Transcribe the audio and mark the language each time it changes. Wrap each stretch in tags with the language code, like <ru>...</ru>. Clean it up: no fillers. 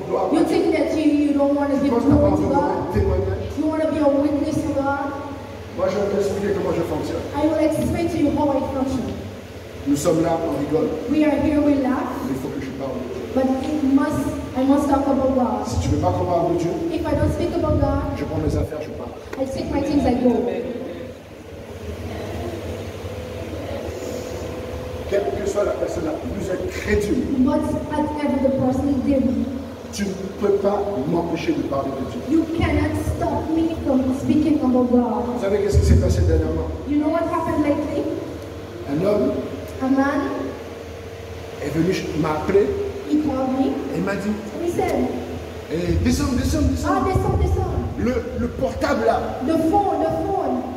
<en>You think that you don't want to give glory to God? You want to be a witness to God?</en> <fr>Moi je vais t'expliquer comment je fonctionne.</fr> <en>I will explain to you how I function.</en> <fr>Nous sommes là, on rigole.</fr> <en>We are here, we laugh.</en> <fr>Mais il faut que je parle de Dieu.</fr> <en>But I must talk about God.</en> <fr>Si tu ne veux pas qu'on parle de Dieu,</fr> <en>if I don't speak about God,</en> <fr>je prends mes affaires, je pars.</fr> <en>I take my things, I go.</en> <fr>Quelle que soit la personne la plus incrédule,</fr> <en>whatever the person is doing,</en> <fr>tu ne peux pas m'empêcher de parler de Dieu.</fr> <en>You cannot stop me from speaking about God.</en> <fr>Vous savez qu'est-ce qui s'est passé dernièrement?</fr> <en>You know what happened lately?</en> <fr>Un homme,</fr> <en>a man,</en> <fr>est venu m'appeler.</fr> <en>He called me.</en> <fr>Et il m'a dit.</fr> <en>He said.</en> <fr>Hey, descends. Ah, descends. Le portable là. Le phone.</fr>